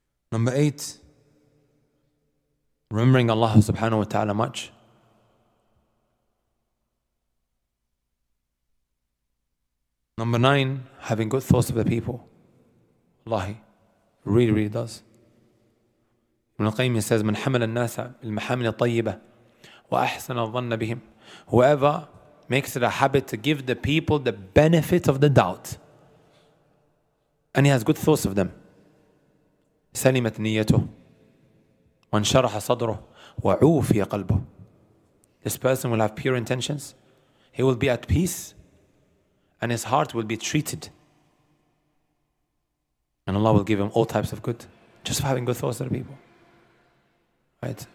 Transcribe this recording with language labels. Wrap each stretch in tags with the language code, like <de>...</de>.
<en>Number eight, remembering Allah subhanahu wa ta'ala much. Number nine, having good thoughts of the people. Allahi, really, really does. Ibn Qayyim says,</en> <ar>من حمل الناس المحامل الطيبة وأحسن الظن بهم.</ar> <en>Whoever makes it a habit to give the people the benefit of the doubt and he has good thoughts of them,</en> <ar>سلمت نيته وانشرح صدره وعوفي قلبه.</ar> <en>This person will have pure intentions, he will be at peace, and his heart will be treated, and Allah will give him all types of good just for having good thoughts of the people. Right.</en>